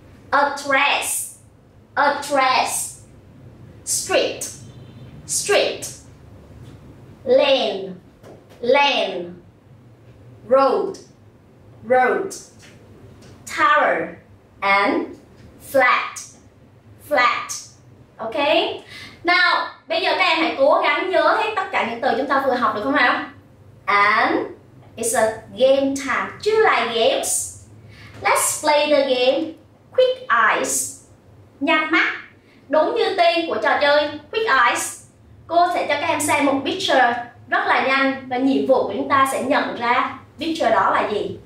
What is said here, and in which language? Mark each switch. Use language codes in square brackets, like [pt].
[en] Address. Address. Street. Street. Lane. Lane. Road. Road. Tower. And flat. Flat. Ok. [vi] Now, bây giờ các em hãy cố gắng nhớ hết tất cả những từ chúng ta vừa học được không nào? [en] And it's a game time. Do you like games? Let's play the game Quick Eyes. [vi] Nhanh mắt. Đúng như tên của trò chơi Quick Eyes, cô sẽ cho các em xem một picture rất là nhanh và nhiệm vụ của chúng ta sẽ nhận ra picture đó là gì.